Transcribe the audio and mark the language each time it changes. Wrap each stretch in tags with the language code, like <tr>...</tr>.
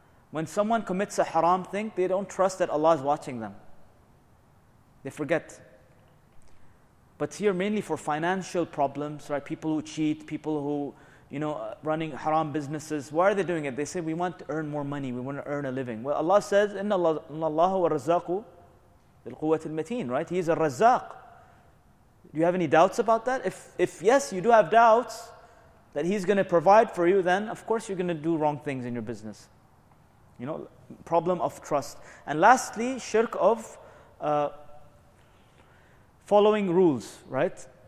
<en>When someone commits a haram thing, they don't trust that Allah is watching them. They forget. But here, mainly for financial problems, right? People who cheat, people who, you know, running haram businesses. Why are they doing it? They say, we want to earn more money. We want to earn a living. Well, Allah says,</en> <ar>إِنَّ اللَّهُ وَرَزَّاقُ بِالْقُوَّةِ الْمَتِينَ,</ar> <en>right? He is a Razzaq. Do you have any doubts about that? If yes, you do have doubts that He's going to provide for you, then of course you're going to do wrong things in your business. You know, problem of trust. And lastly, shirk of following rules, right?</en>